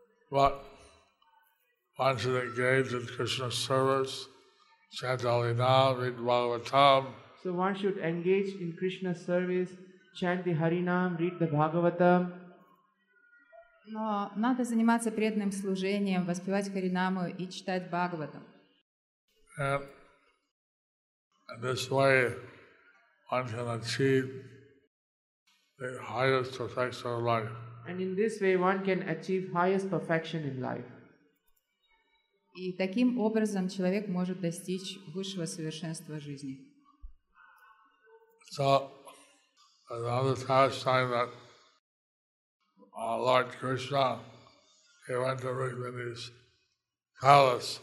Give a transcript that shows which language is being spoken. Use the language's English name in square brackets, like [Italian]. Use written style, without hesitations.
[English] But one should engage in Krishna's service, chant Hare Nam, read Bhagavatam. So one should engage in Krishna's service, chant the Harinam, read the Bhagavatam. [Russian] Но надо заниматься преданным служением, воспевать Харинаму и читать Бхагаватам. [English] And in this way, one can achieve the highest perfection of life. And in this way, one can achieve highest perfection in life. [Russian] И таким образом человек может достичь высшего совершенства жизни. [English] So, another pastime that Lord Krishna, he went to Rukmini's palace.